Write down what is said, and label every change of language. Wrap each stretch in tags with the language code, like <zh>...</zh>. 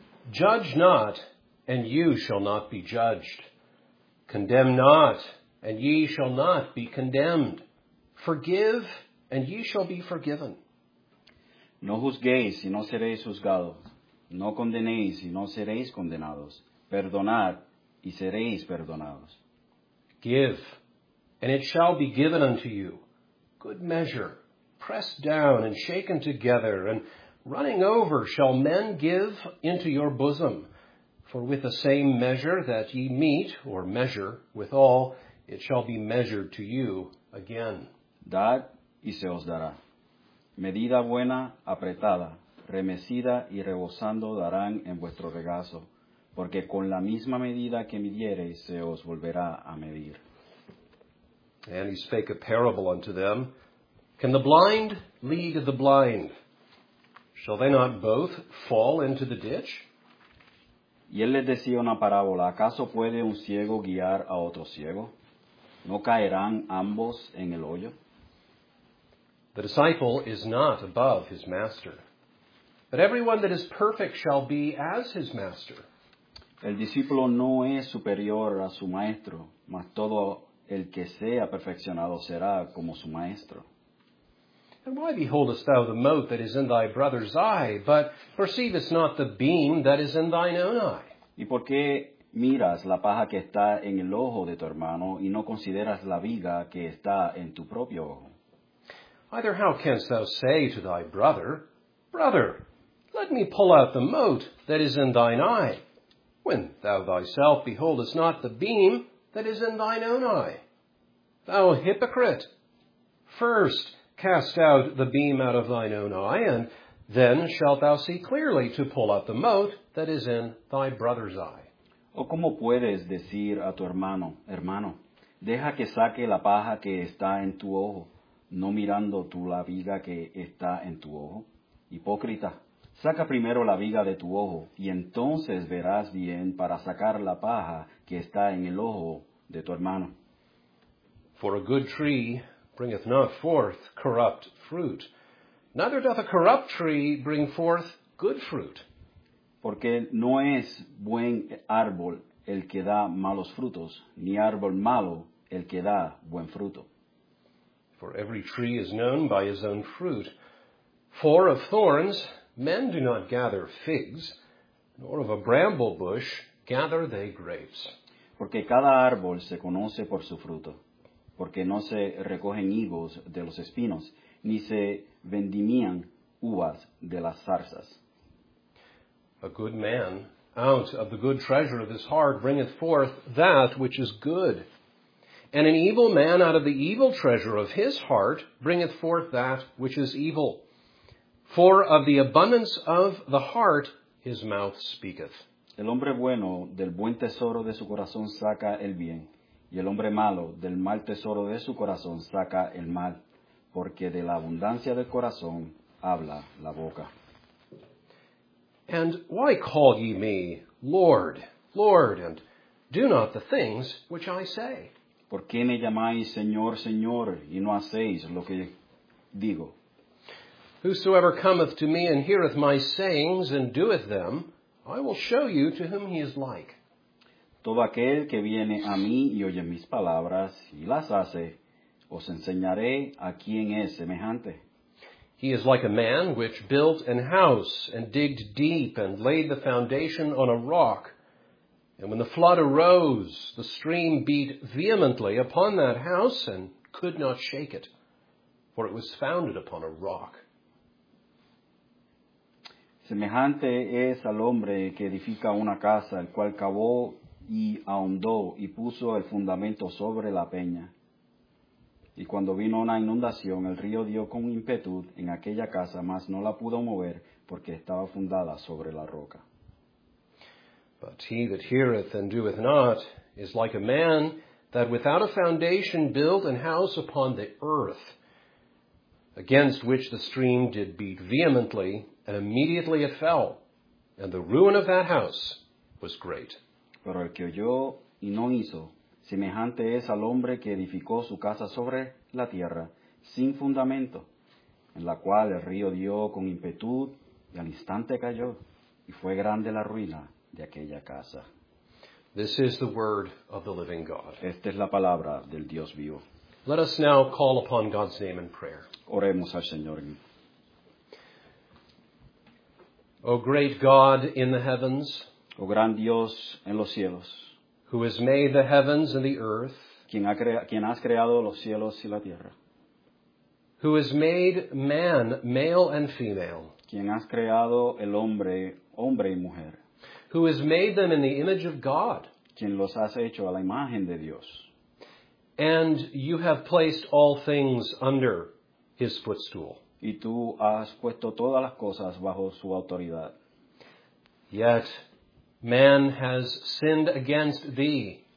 <en>Judge not, and you shall not be judged. Condemn not, and ye shall not be condemned. Forgive, and ye shall be forgiven.</en> <es>No juzguéis, y no seréis juzgados. No condenéis, y no seréis condenados. Perdonad, y seréis perdonados.</es> <en>Give, and it shall be given unto you. Good measure, pressed down and shaken together, and running over shall men give into your bosom. For with the same measure that ye meet, or measure withal, it shall be measured to you again.</en> <es>Dad, y se os dará. Medida buena, apretada, remecida y rebosando darán en vuestro regazo, porque con la misma medida que midiereis se os volverá a medir.</es> <en>And he spake a parable unto them. Can the blind lead the blind? Shall they not both fall into the ditch?</en> <es>Y él les decía una parábola. ¿Acaso puede un ciego guiar a otro ciego? ¿No caerán ambos en el hoyo?</es> <en>The disciple is not above his master, but everyone that is perfect shall be as his master.</en> <es>El discípulo no es superior a su maestro, mas todo el que sea perfeccionado será como su maestro.</es> <en>And why beholdest thou the mote that is in thy brother's eye, but perceivest not the beam that is in thine own eye?</en> <es>¿Y por qué miras la paja que está en el ojo de tu hermano, y no consideras la viga que está en tu propio ojo?</es> <en>Either how canst thou say to thy brother, Brother, let me pull out the mote that is in thine eye, when thou thyself beholdest not the beam that is in thine own eye? Thou hypocrite, first cast out the beam out of thine own eye, and then shalt thou see clearly to pull out the mote that is in thy brother's eye.</en> <es>¿O cómo puedes decir a tu hermano, hermano, deja que saque la paja que está en tu ojo, no mirando tú la viga que está en tu ojo? Hipócrita, saca primero la viga de tu ojo, y entonces verás bien para sacar la paja que está en el ojo de tu hermano.</es> <en>For a good tree bringeth not forth corrupt fruit, neither doth a corrupt tree bring forth good fruit.</en> <es>Porque no es buen árbol el que da malos frutos, ni árbol malo el que da buen fruto.</es> <en>For every tree is known by his own fruit. For of thorns men do not gather figs, nor of a bramble bush gather they grapes.</en> <es>Porque cada árbol se conoce por su fruto. Porque no se recogen higos de los espinos, ni se vendimian uvas de las zarzas.</es> <en>A good man out of the good treasure of his heart bringeth forth that which is good. And an evil man out of the evil treasure of his heart bringeth forth that which is evil. For of the abundance of the heart his mouth speaketh.</en> <es>El hombre bueno del buen tesoro de su corazón saca el bien, y el hombre malo del mal tesoro de su corazón saca el mal, porque de la abundancia del corazón habla la boca.</es> <en>And why call ye me Lord, Lord, and do not the things which I say?</en> <es>¿Por qué me llamáis Señor, Señor, y no hacéis lo que digo?</es> <en>Whosoever cometh to me and heareth my sayings and doeth them, I will show you to whom he is like.</en> <es>Todo aquel que viene a mí y oye mis palabras y las hace, os enseñaré a quién es semejante.</es> <en>He is like a man which built an house and digged deep and laid the foundation on a rock. And when the flood arose, the stream beat vehemently upon that house and could not shake it, for it was founded upon a rock.</en> <es>Semejante es al hombre que edifica una casa, el cual cavó y ahondó y puso el fundamento sobre la peña. Y cuando vino una inundación, el río dio con ímpetu en aquella casa, mas no la pudo mover porque estaba fundada sobre la roca.</es> <en>But he that heareth and doeth not is like a man that without a foundation built an house upon the earth, against which the stream did beat vehemently, and immediately it fell, and the ruin of that house was great.</en> <es>Pero el que oyó y no hizo, semejante es al hombre que edificó su casa sobre la tierra, sin fundamento, en la cual el río dio con ímpetu, y al instante cayó, y fue grande la ruina de aquella casa.</es> <en>This is the word of the living God.</en> <es>Esta es la palabra del Dios vivo.</es> <en>Let us now call upon God's name in prayer.</en> <es>Oremos al Señor.</es> <en>O great God in the heavens,</en> <es>O gran Dios en los cielos,</es> <en>who has made the heavens and the earth,</en> <es>quien has creado los cielos y la tierra,</es> <en>who has made man male and female,</en> <es>quien has creado el hombre, hombre y mujer,</es> <en>who has made them in the image of God,</en> <es>quien los has hecho a la imagen de Dios,</es> <en>and you have placed all things under his footstool.</en> <es>Y tú has puesto todas las cosas bajo su autoridad.</es> <en>Yet man has sinned against thee.</en>